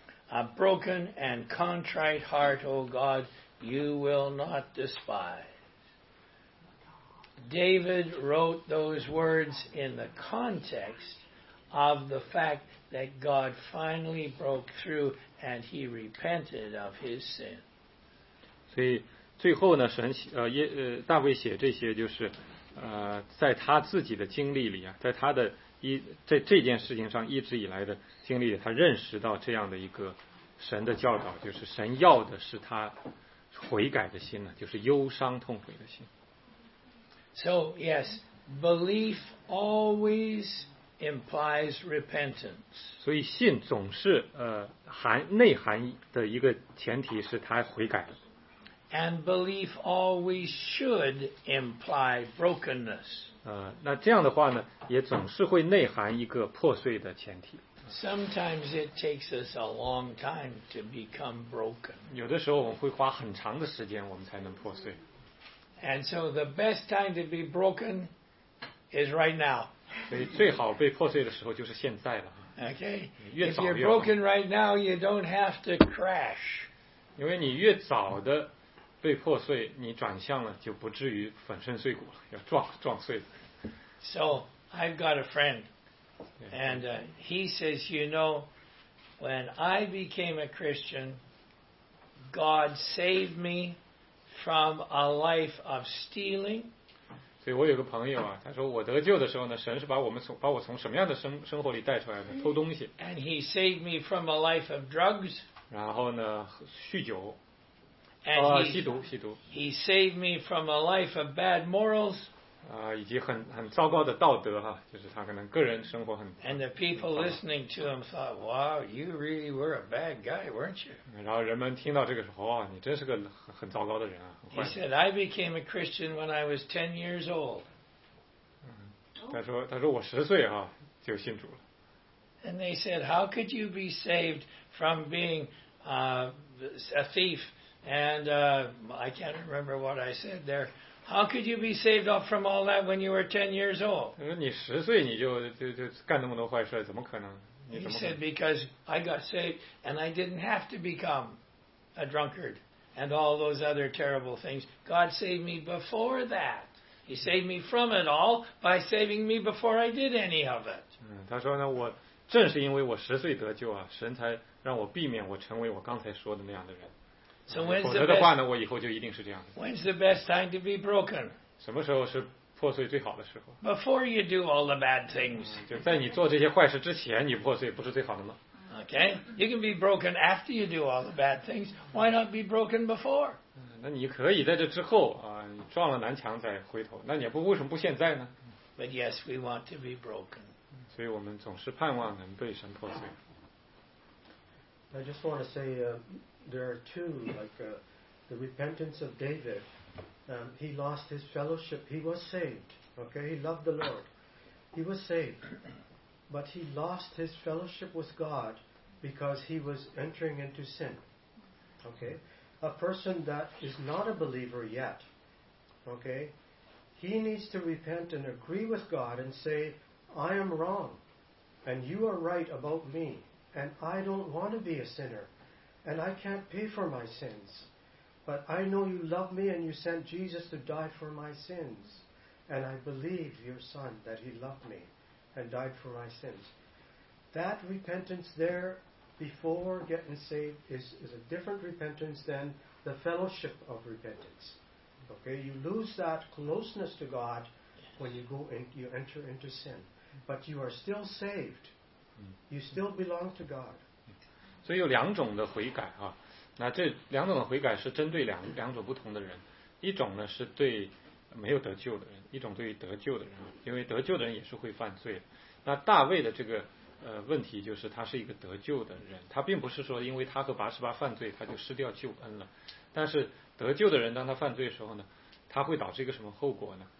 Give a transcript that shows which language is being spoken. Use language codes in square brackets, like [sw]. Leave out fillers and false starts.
[en] A broken and contrite heart, O God, you will not despise. David wrote those words in the context of the fact that God finally broke through and he repented of his sin. [zh] 所以最后呢，神大卫写这些，就是在他自己的经历里啊，在他的在这件事情上一直以来的经历里，他认识到这样的一个神的教导，就是神要的是他悔改的心呢，就是忧伤痛悔的心。 [en] So, yes, belief always implies repentance. [zh] 所以信总是内涵的一个前提是他悔改了。 [en] And belief always should imply brokenness. [zh] 那这样的话呢，也总是会内涵一个破碎的前提。 [en] Sometimes it takes us a long time to become broken. [zh] 有的时候我们会花很长的时间我们才能破碎。 [en] And so the best time to be broken is right now. [zh] 所以最好被破碎的时候就是现在了。 [en] Okay. [zh] 越早越好。 [en] If you're broken right now, you don't have to crash. [zh] 因为你越早的被破碎，你转向了就不至于粉身碎骨了，要撞碎了。 [en] So I've got a friend, and he says, you know, when I became a Christian, God saved me from a life of stealing. [zh] 所以我有个朋友啊，他说我得救的时候呢，神是把我从什么样的生活里带出来的？偷东西。 [en] And he saved me from a life of drugs. [zh] 然后呢，酗酒。 [en] And he, [zh] 吸毒。 [en] He saved me from a life of bad morals. [zh] 以及很糟糕的道德哈，就是他可能个人生活很。 [en] And the people listening to him thought, "Wow, you really were a bad guy, weren't you?" [zh] 然后人们听到这个时候，你真是个很糟糕的人啊。 [en] He said, "I became a Christian when I was 10 years old." [zh] 他说我十岁哈就信主了。 [en] And they said, "How could you be saved from being a thief?" And I can't remember what I said there. How could you be saved up from all that when you were 10 years old? [zh] 你十岁你就干那么多坏事，怎么可能？ [en] He said, "Because I got saved, and I didn't have to become a drunkard and all those other terrible things. God saved me before that. He saved me from it all by saving me before I did any of it." [zh] 他说呢，我正是因为我十岁得救啊，神才让我避免我成为我刚才说的那样的人。 [en] So when's the best, [zh] 否则的话呢，我以后就一定是这样的。 [en] When's the best time to be broken? [zh] 什么时候是破碎最好的时候？ [en] Before you do all the bad things. [zh] 就在你做这些坏事之前，你破碎不是最好的吗？ [en] Okay, you can be broken after you do all the bad things. Why not be broken before? [zh] 那你可以在这之后啊，你撞了南墙再回头，那你不为什么不现在呢？ [en] But yes, we want to be broken. [zh] 所以我们总是盼望能被神破碎。 [en] I just want to say, there are two, the repentance of David. He lost his fellowship. He was saved. Okay, he loved the Lord. He was saved. But he lost his fellowship with God because he was entering into sin. Okay, a person that is not a believer yet, okay, he needs to repent and agree with God and say, "I am wrong, and you are right about me, and I don't want to be a sinner. And I can't pay for my sins. But I know you love me and you sent Jesus to die for my sins. And I believe your son that he loved me and died for my sins." That repentance there before getting saved is a different repentance than the fellowship of repentance. Okay, you lose that closeness to God when you go in, you enter into sin. But you are still saved. You still belong to God. [zh] 所以有两种的悔改啊，那这两种的悔改是针对两种不同的人，一种呢是对没有得救的人，一种对于得救的人啊，因为得救的人也是会犯罪的。那大卫的这个问题就是他是一个得救的人，他并不是说因为他和拔示巴犯罪他就失掉救恩了，但是得救的人当他犯罪的时候呢，他会导致一个什么后果呢？